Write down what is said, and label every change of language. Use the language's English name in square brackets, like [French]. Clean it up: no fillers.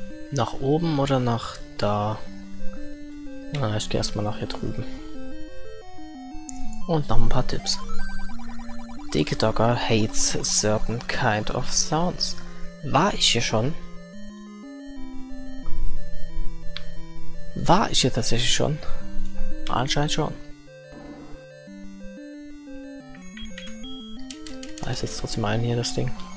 [German] Nach oben oder nach da? Na, ich gehe erstmal nach hier drüben. Und noch ein paar Tipps. [English] Diggdogger hates certain kind of sounds. [German] War ich hier schon? War ich hier tatsächlich schon? Anscheinend schon. Da ist jetzt trotzdem ein hier das Ding.